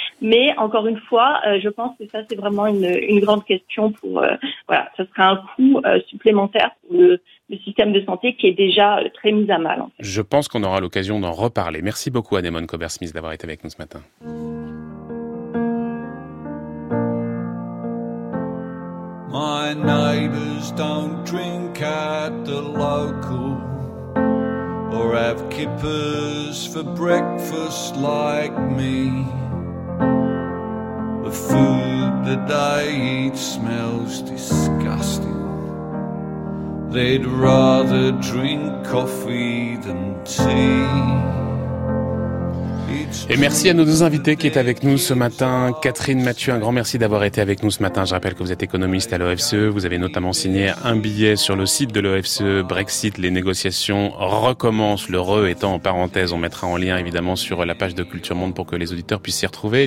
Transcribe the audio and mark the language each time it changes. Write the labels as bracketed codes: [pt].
[fr] Mais encore une fois, je pense que ça, c'est vraiment une grande question pour. Voilà, ça sera un coût supplémentaire pour le système de santé qui est déjà très mis à mal. En fait. Je pense qu'on aura l'occasion d'en reparler. Merci beaucoup, Anémone Cobert-Smith, d'avoir été avec nous ce matin. [en] My neighbours don't drink at the local or have kippers for breakfast like me. The food that they eat smells disgusting. They'd rather drink coffee than tea. [fr] Et merci à nos deux invités qui étaient avec nous ce matin. Catherine Mathieu, un grand merci d'avoir été avec nous ce matin. Je rappelle que vous êtes économiste à l'OFCE. Vous avez notamment signé un billet sur le site de l'OFCE. Brexit, les négociations recommencent. Le re étant en parenthèse. On mettra en lien évidemment sur la page de Culture Monde pour que les auditeurs puissent s'y retrouver.